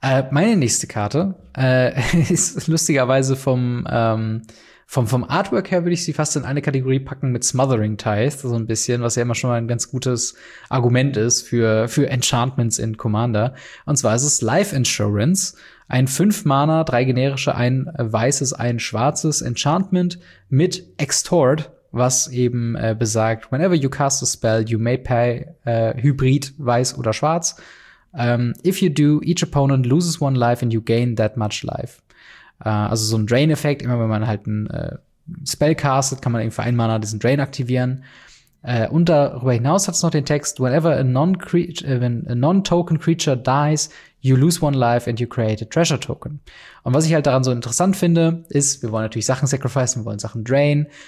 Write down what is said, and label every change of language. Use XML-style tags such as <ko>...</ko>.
<de>Meine nächste Karte ist lustigerweise vom Artwork her würde ich sie fast in eine Kategorie packen mit Smothering Tithe, so ein bisschen, was ja immer schon mal ein ganz gutes Argument ist für Enchantments in Commander. Und zwar ist es Life Insurance. Ein 5-Mana, 3 generische, ein weißes, ein schwarzes Enchantment mit Extort, was eben besagt,</de> <en>whenever you cast a spell, you may pay Hybrid,</en> <de>weiß oder schwarz.</de> <en>If you do, each opponent loses one life and you gain that much life.</en> <de>Also so ein Drain-Effekt, immer wenn man halt einen Spell castet, kann man eben für 1 Mana diesen Drain aktivieren. Und darüber hinaus hat es noch den Text,</de> <en>whenever a non-token creature dies, you lose one life and you create a treasure token.</en> <de>Und was ich halt daran so interessant finde, ist, wir wollen natürlich Sachen sacrificen, wir wollen Sachen drain.</de>